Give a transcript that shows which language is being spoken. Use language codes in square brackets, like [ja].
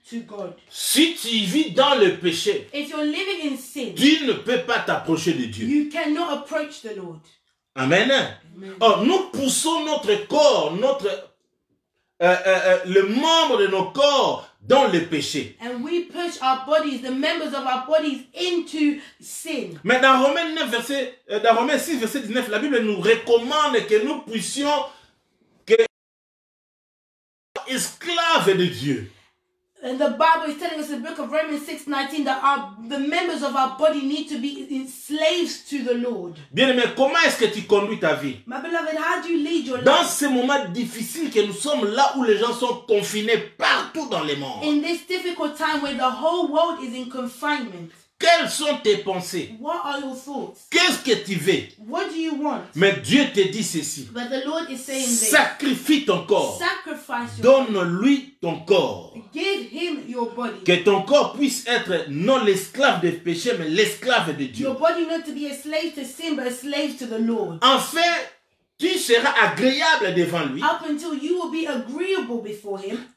[en] To God. [fr] Si tu vis dans le péché, [en] if you're living in sin, [fr] tu ne peux pas t'approcher de Dieu. [en] You cannot approach the Lord. Amen. Amen. [fr] Or, nous poussons notre corps, le membre de nos corps dans le péché. [en] And we push our bodies, the members of our bodies into sin. [fr] Mais dans Romains 6 verset 19, la Bible nous recommande que nous puissions esclave de Dieu. [en] And the Bible is telling us in the book of Romans 6:19 that the members of our body need to be slaves to the Lord. [fr] Bien-aimé, comment est-ce que tu conduis ta vie? [en] My beloved, how do you lead your life? [fr] Dans ces moments difficiles que nous sommes là où les gens sont confinés partout dans le monde. [en] In this difficult time where the whole world is in confinement. [fr] Quelles sont tes pensées? [en] What are your thoughts? [fr] Qu'est-ce que tu veux? [en] What do you want? [fr] Mais Dieu te dit ceci. [en] But the Lord is saying this. [fr] Sacrifie ton corps. [en] Sacrifice your [fr] Donne-lui ton corps. [en] Give him your body. [fr] Que ton corps puisse être non l'esclave des péchés, mais l'esclave de Dieu. [en] Your body not to be a slave to sin, but a slave to the Lord. [fr] Enfin, tu seras agréable devant lui. [en] Up until you will be agreeable before him.